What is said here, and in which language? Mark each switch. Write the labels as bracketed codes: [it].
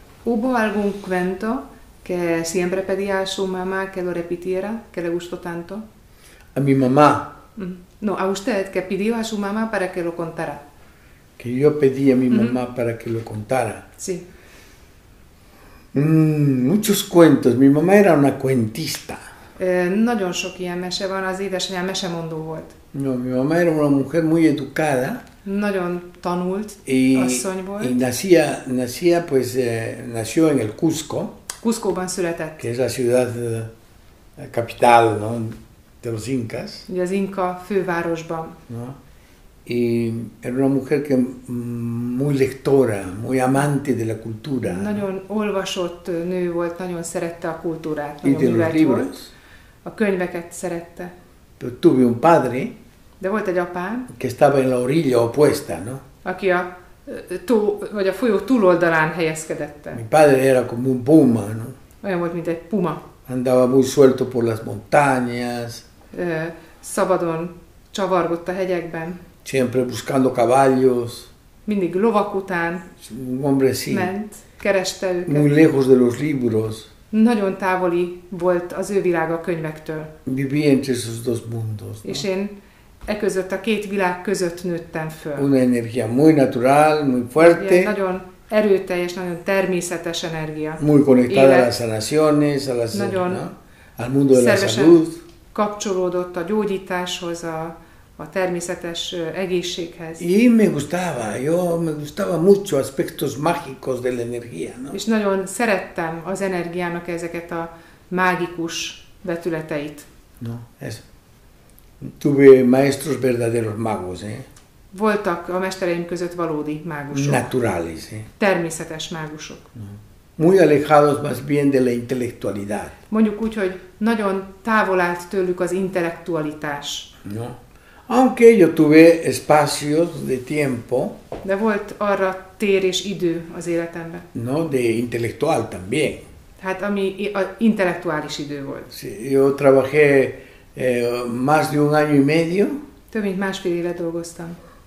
[es] hubo algún cuento que siempre pedía a su mamá que lo repitiera, que le gustó tanto. A mi mamá. No, a usted, que pidió a su mamá para que lo contara. Que yo pedí a mi mamá para que lo contara. Sí. Muchos cuentos. Mi mamá era una cuentista. [hu] Nagyon sok ilyen mese van, az édesanyám mesemondó volt. [es] No, mi mamá era una mujer muy educada. [hu] Nagyon tanult asszonyból. [es] Y nacía pues nació en el Cusco. [hu] Cuscoban született. [es] Que es la ciudad capital, ¿no? De los incas. [hu] Ugye az Inka fővárosban. [es] No? Y era una mujer que muy lectora, muy amante de la cultura. [hu] Nagyon olvasott nő volt, nagyon szerette a kultúrát, nagyon művelt volt. A könyveket szerette. [es] Pero tuve un padre. [hu] De volt egy apám. [es] Que estaba en la orilla opuesta, ¿no? [hu] Aki a tó, vagy a folyó túloldalán helyezkedett. [es] Mi padre era como un puma, ¿no? [hu] Olyan volt, mint egy puma. [es] Andaba muy suelto por las montañas. [hu] Szabadon csavargott a hegyekben. [es] Siempre buscando caballos. [hu] Mindig lovak után. [es] Un hombre así. [hu] Ment, kereste őket. [es] Muy lejos de los libros. [hu] Nagyon távoli volt az ő világa a könyvektől. [es] Vivía entre esos dos mundos. [hu] És én e között, a két világ között nőttem föl. [es] Una energía muy natural, muy fuerte. [hu] Ilyen nagyon erőteljes, nagyon természetes energia. [es] Muy conectada a las sanaciones, a las, [hu] nagyon no? [es] al mundo de la salud. [hu] Kapcsolódott a gyógyításhoz, a természetes egészséghez. [es] Y me gustaba mucho aspectos mágicos de la energía, ¿no? [hu] És nagyon szerettem az energiának ezeket a mágikus vetületeit. [es] No, eso. Tuve maestros verdaderos magos, [hu] Voltak a mestereim között valódi mágusok. [es] Naturales, [hu] Természetes mágusok. [es] Muy alejados más bien de la intelectualidad. [hu] Mondjuk úgy, hogy nagyon távol állt tőlük az intellektualitás. [es] No. Aunque yo tuve espacios de tiempo. [hu] De volt arra tér és idő az életemben. [es] No, de intelectual también. [hu] Hát ami a intellektuális idő volt. [es] Sí, yo trabajé más de un año y medio. [hu] Több mint másfél éve dolgoztam.